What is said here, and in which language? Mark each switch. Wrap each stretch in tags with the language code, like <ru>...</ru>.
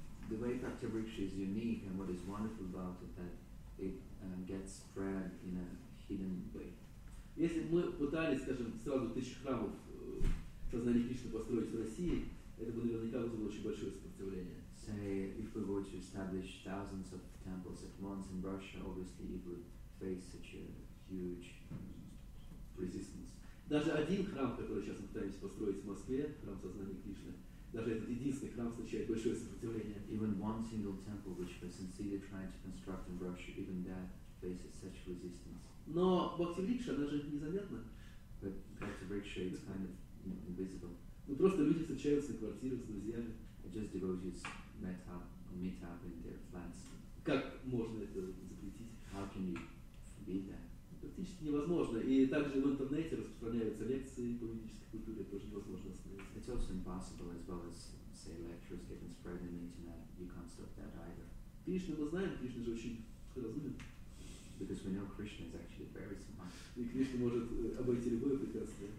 <en>The way Bhakti Vriksha is unique, and what is wonderful about it, that it gets spread in a hidden way.</en> <ru>Если бы мы пытались, скажем, сразу тысячи храмов сознания Кришны построить в России, это бы наверняка вызвало очень большое сопротивление.</ru> <en>Say, if we were to establish thousands of temples at once in Russia, obviously it would face such a huge resistance.</en> <ru>Даже один храм, который сейчас мы пытаемся построить в Москве, храм сознания Кришны, даже этот единственный храм встречает большое сопротивление.</ru> <en>Even one single temple which we're sincerely trying to construct in Russia, even that faces such resistance.</en> <ru>Но Bhakti Vriksha, она же незаметна.</ru> <en>But Bhakti Vriksha is kind of invisible.</en> <ru>Ну просто люди встречаются в квартирах с друзьями.</ru> <en>Just devotees meet up in their flats.</en> <ru>Как можно это запретить?</ru> <en>How can you</en> <ru>Практически невозможно. И также в интернете распространяются лекции по ведической культуре, тоже невозможно остановиться.</ru> <en>It's also impossible, as well as, say, lectures getting spread on the internet. You can't stop that either.</en> <ru>Кришна мы знаем, Кришна же очень разумен.</ru> <en>Because we know Krishna is actually very smart.</en> <ru>И Кришна может обойти любое препятствие.</ru>